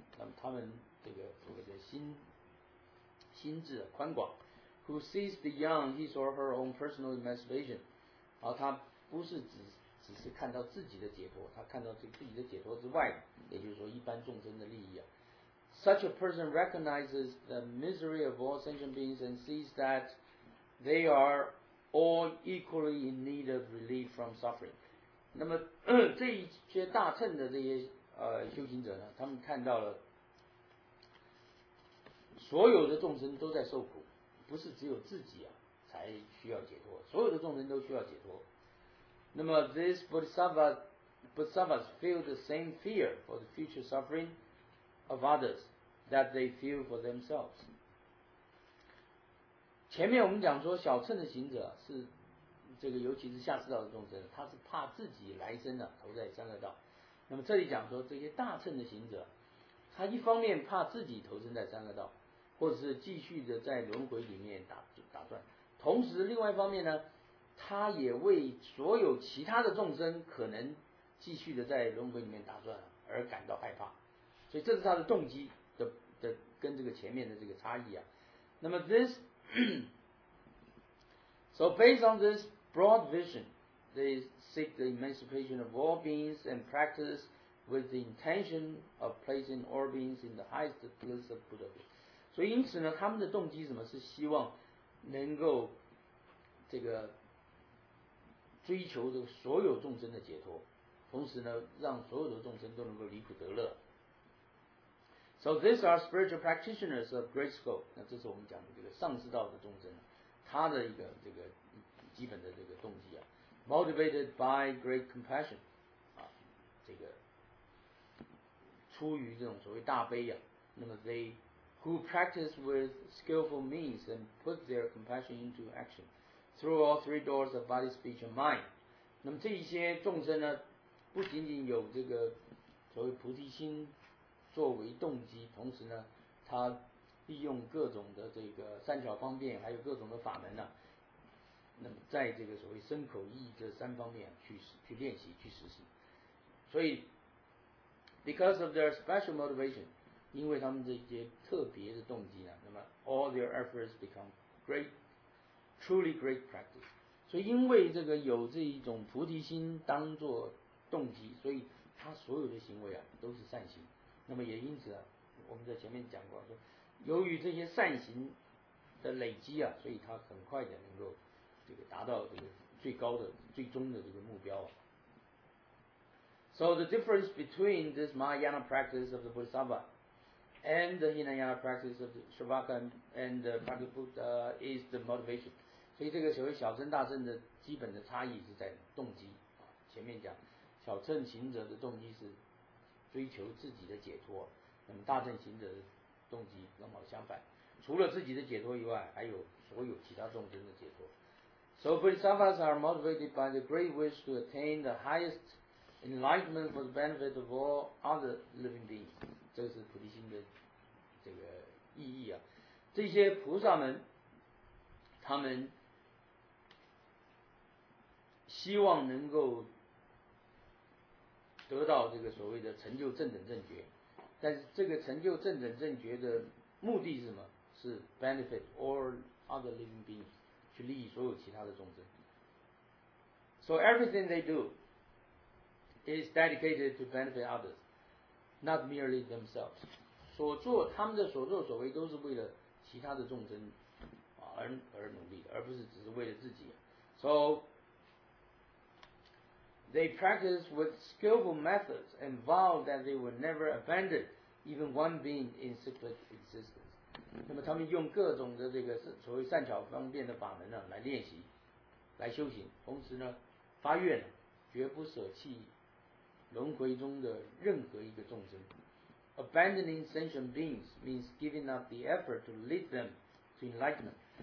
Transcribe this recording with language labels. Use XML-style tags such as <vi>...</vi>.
<zh>那么他们这个所谓的心智宽广，</zh> <en>who sees beyond his or her own personal emancipation，</en> <zh>他不是只是看到自己的解脱，他看到自己的解脱之外，也就是说一般众生的利益。</zh> <en>Such a person recognizes the misery of all sentient beings and sees that they are all equally in need of relief from suffering。</en> <zh>那么这一些大乘的这些修行者呢，他们看到了所有的众生都在受苦，不是只有自己才需要解脱，所有的众生都需要解脱。</zh> <en>那么 this Bodhisattvas feel the same fear for the future suffering of others that they feel for themselves。</en> <zh>前面我们讲说小乘的行者是这个尤其是下士道的众生，他是怕自己来生了、啊、投在三恶道。那么这里讲说，这些大乘的行者，他一方面怕自己投生在三恶道，或者是继续的在轮回里面打转，同时另外一方面呢，他也为所有其他的众生可能继续的在轮回里面打转而感到害怕，所以这是他的动机的跟这个前面的这个差异啊。</zh> <en>那么 this so based on this broad vision, they seek the emancipation of all beings and practice with the intention of placing all beings in the highest bliss of Buddhahood.</en> <zh>所以因此呢，他们的动机什么是希望能够这个追求这个所有众生的解脱，同时呢，让所有的众生都能够离苦得乐。</zh> <en>So these are spiritual practitioners of great scope.</en> <zh>那这是我们讲的这个上士道的众生，他的一个这个基本的这个动机啊 ，</zh> <en>motivated by great compassion，</en> <zh>啊，这个出于这种所谓大悲啊。</zh> <en>那么 they who practice with skillful means and put their compassion into action through all three doors of body, speech, and mind.</en> <zh>那么这一些众生呢，不仅仅有这个所谓菩提心作为动机，同时呢，他利用各种的这个三巧方便，还有各种的法门呢、啊，那么在这个所谓身口意这三方面去练习去实行。</zh> <en>所以 ，because of their special motivation，</en> <zh>因为他们这些特别的动机呢，</zh> <en>那么 all their efforts become great， truly great practice。</en> <zh>所以因为这个有这一种菩提心当作动机，所以他所有的行为啊都是善行。那么也因此啊，我们在前面讲过说，由于这些善行的累积啊，所以他很快的能够这个达到这个最高的最终的这个目标啊。</zh> <en>So the difference between this Mahayana practice of the Bodhisattva and the Hinayana practice of the Shravaka and the Pratibuddha is the motivation.</en> <zh>所以这个所谓小乘大乘的基本的差异是在动机啊。前面讲小乘行者的动机是追求自己的解脱，那么大乘行者的动机刚好相反，除了自己的解脱以外，还有所有其他众生的解脱。</zh> <en>So Bodhisattvas are motivated by the great wish to attain the highest enlightenment for the benefit of all other living beings.</en> <zh>这是菩提心的这个意义啊。这些菩萨们，他们希望能够得到这个所谓的成就正等正觉，但是这个成就正等正觉的目的是什么？是</zh> <en>benefit all other living beings，</en> <zh>去利益所有其他的众生。</zh> <en>So everything they do is dedicated to benefit others, not merely themselves.</en> <zh>所做他们的所作所为都是为了其他的众生而努力的，而不是只是为了自己。</zh> <en>So they practice with skillful methods and vow that they will never abandon even one being in cyclic existence.</en> <zh>那么他们用各种的这个所谓善巧方便的法门呢来练习来修行，同时呢发愿绝不舍弃轮回中的任何一个众生。</zh> <en>Abandoning sentient beings means giving up the effort to lead them to enlightenment.</en>